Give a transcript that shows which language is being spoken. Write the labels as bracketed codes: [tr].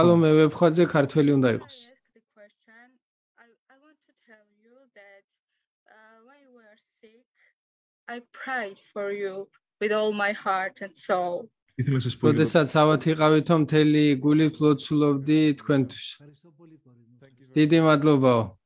[ka] Salome Webkhadze ქართველი უნდა იყოს. [en] I want to tell you that when you were sick, I prayed for you with all my heart and soul. [ka] როდესაც ავათ იყავით, რომ მთელი გულით ლოცულობდი თქვენთვის. დიდი მადლობაო.